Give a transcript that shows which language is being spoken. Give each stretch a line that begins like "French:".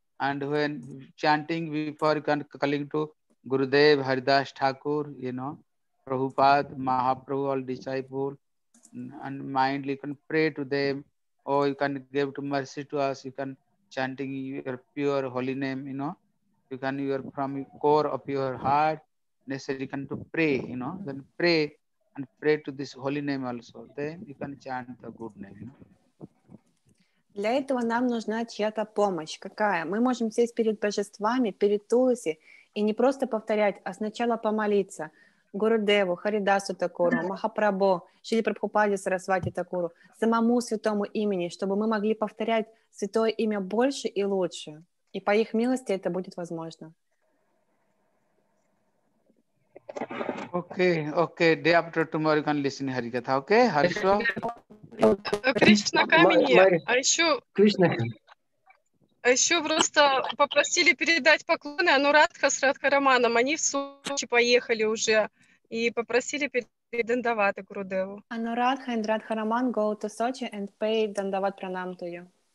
English: And when chanting before, you can calling to Gurudev, Haridas Thakur, Prabhupada, Mahaprabhu, all disciples, and mindly you can pray to them, or you can give to mercy to us. You can chanting your pure holy name. You are from core of your heart. Necessary can to pray, then pray and pray to this holy name also. Then you can chant the good name.
Russian: Для этого нам нужна чья-то помощь. Какая? Мы можем сесть перед божествами, перед Туласи, и не просто повторять, а сначала помолиться Гурудеву, Харидасу Такуру, Махапрабху, Шили Прабхупаде Сарасвати Такуру, самому святому имени, чтобы мы могли повторять святое имя больше и лучше. И по их милости это будет возможно.
English: Okay. Day after tomorrow, you can listen Harikatha. Okay, Harishwa.
Russian: Кришна камень. А еще. Кришна. А еще просто попросили передать поклоны Анурадха с Радхараманом. Они в Сочи поехали уже и попросили передать дандаваты Гурудеву.
English: Anuradha and Radharaman go to Sochi and pay dandavat pranam to you.